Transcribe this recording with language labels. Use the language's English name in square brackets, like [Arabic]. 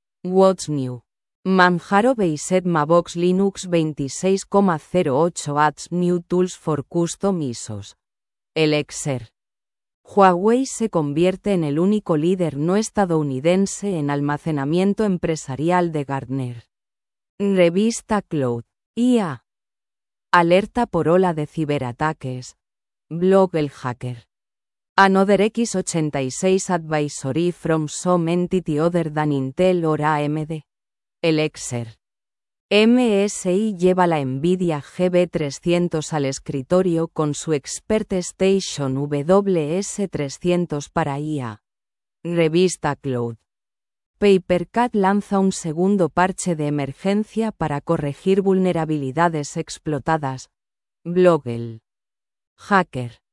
[English] What's new? Manjaro based Mavox Linux 26.08 adds new tools for custom ISOs. Elixir. [Spanish] Huawei se convierte en el único líder no estadounidense en almacenamiento empresarial de Gartner. Revista Cloud. IA. Alerta por ola de ciberataques. Blog el hacker. [English] Another x86 advisory from some entity other than Intel or AMD. Elixir. [Spanish] MSI lleva la Nvidia GB300 al escritorio con su Expert Station WS300 para IA. Revista Cloud. Papercat lanza un segundo parche de emergencia para corregir vulnerabilidades explotadas. Blogel. Hacker.